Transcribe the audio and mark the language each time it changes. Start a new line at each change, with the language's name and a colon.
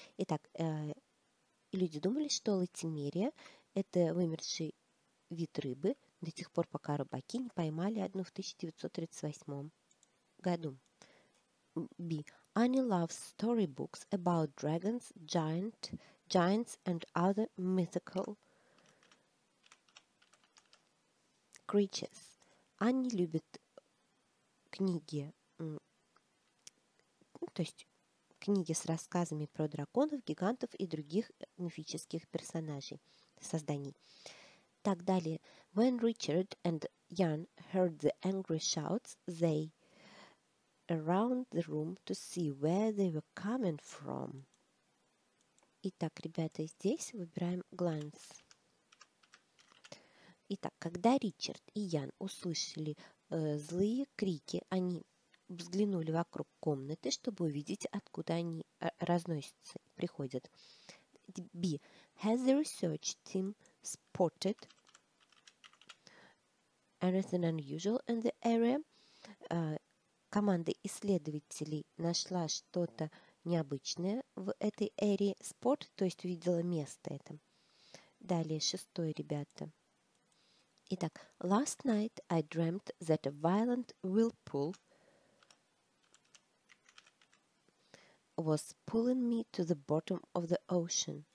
Russian: Итак, люди думали, что латимерия – это вымерший вид рыбы до тех пор, пока рыбаки не поймали одну в 1938 году.
English: B. Annie loves storybooks about dragons, giants and other mythical creatures.
Russian: Annie любит книги с рассказами про драконов, гигантов и других мифических персонажей, созданий. Так, далее.
English: When Richard and Jan heard the angry shouts, they around the room to see where they were coming from.
Russian: Итак, ребята, здесь выбираем glance. Итак, когда Ричард и Ян услышали злые крики, они взглянули вокруг комнаты, чтобы увидеть, откуда они разносятся, приходят.
English: B. Has the research team spotted anything unusual in the area?
Russian: Команда исследователей нашла что-то необычное в этой area. Spot, то есть увидела место это. Далее, шестое, ребята. Итак,
English: last night I dreamt that a violent whirlpool was pulling me to the bottom of the ocean.